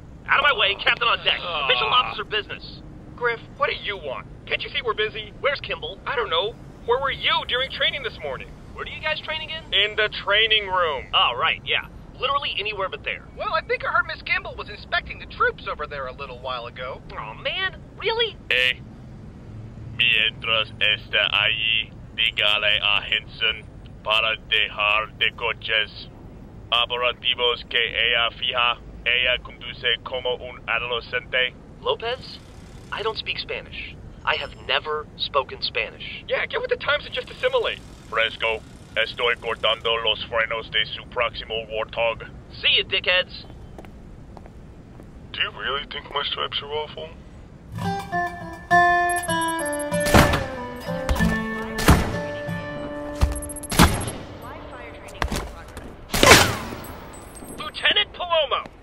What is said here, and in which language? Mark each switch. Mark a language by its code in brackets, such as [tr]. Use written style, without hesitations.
[en] Out of my way, Captain on deck. Official officer business. Griff, what do you want? Can't you see we're busy? Where's Kimball? I don't know. Where were you during training this morning? Where do you guys train again? In the training room. Oh, right, yeah. Literally anywhere but there. Well, I think I heard Miss Kimball was inspecting the troops over there a little while ago. Aw, man, really? [es] Hey, mientras está allí, dígale a Henson para dejar de coches operativos que ella fija, ella conduce como un adolescente. [en] Lopez, I don't speak Spanish. I have never spoken Spanish. Yeah, get with the times and just assimilate. [es] Fresco. Estoy cortando los frenos de su próximo warthog. [en] See ya, dickheads! Do you really think my stripes are awful? Lieutenant Palomo!